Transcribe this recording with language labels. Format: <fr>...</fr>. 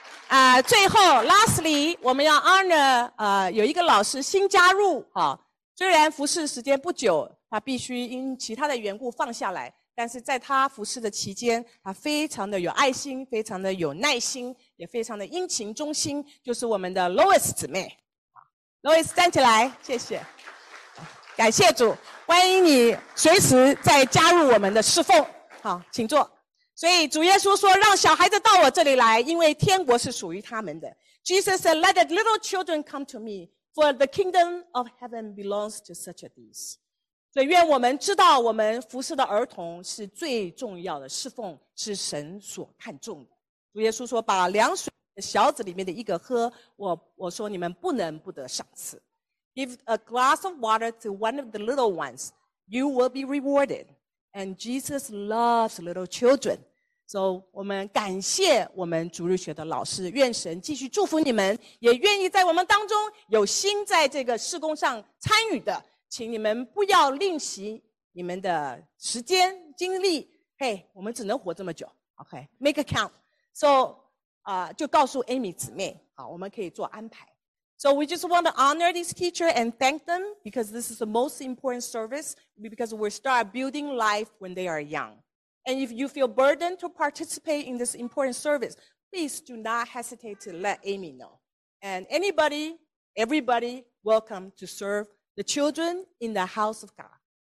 <zh>Lastly, 我们要 honor 有一个老师新加入，虽然服侍时间不久，他必须因其他的缘故放下来，但是在他服侍的期间，他非常的有爱心，非常的有耐心，也非常的殷勤忠心，就是我们的 Lois 姊妹。 Lois 站起来，谢谢，感谢主，欢迎你随时再加入我们的侍奉。好，请坐。所以主耶稣说，让小孩子到我这里来，因为天国是属于他们的。</zh> <en>Jesus said, let the little children come to me, for the kingdom of heaven belongs to such as these.</en> <zh>所以愿我们知道，我们服侍的儿童是最重要的侍奉，是神所看重的。主耶稣说，把凉水小子里面的一个喝，我说你们不能不得赏赐。</zh> <en>Give a glass of water to one of the little ones, you will be rewarded. And Jesus loves little children.</en> <zh>So 我们感谢我们主日学的老师，愿神继续祝福你们，也愿意在我们当中有心在这个事工上参与的，请你们不要吝惜你们的时间精力。</zh> <en>Hey,</en> <zh>我们只能活这么久。</zh> <en>Okay, make a count. So.</en> <zh>就告诉 Amy 姊妹，好，我们可以做安排。</zh> <en>So we just want to honor this teacher and thank them because this is the most important service because we start building life when they are young. And if you feel burdened to participate in this important service, please do not hesitate to let Amy know. And anybody, everybody, welcome to serve the children in the house of God.</en>